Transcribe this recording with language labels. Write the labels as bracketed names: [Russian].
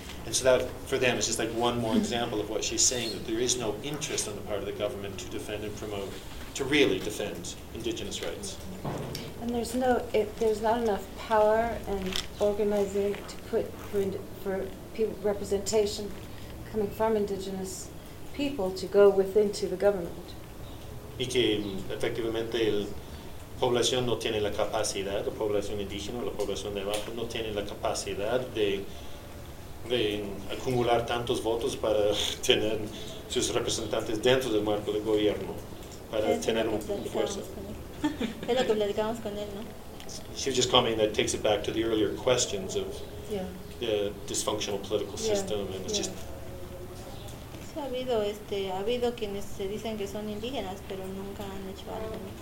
[English] And so that, for them, is just like one more example of what she's saying, that there is no interest on the part of the government to defend and promote, to really defend indigenous rights. And there's not enough power and organizing to put for people, representation coming from indigenous people to go within to the government. [Spanish] Y que efectivamente la población no tiene la capacidad, la población indígena, la población de abajo, no tiene la capacidad de acumular tantos votos para tener sus representantes dentro del marco del gobierno, para tener un fuerza. Es lo que platicamos con él, ¿no? [English] She was just commenting that takes it back to the earlier questions of yeah. the dysfunctional political system. Yeah. And yeah. Just [Spanish] sí, ha habido quienes se dicen que son indígenas, pero nunca han hecho algo.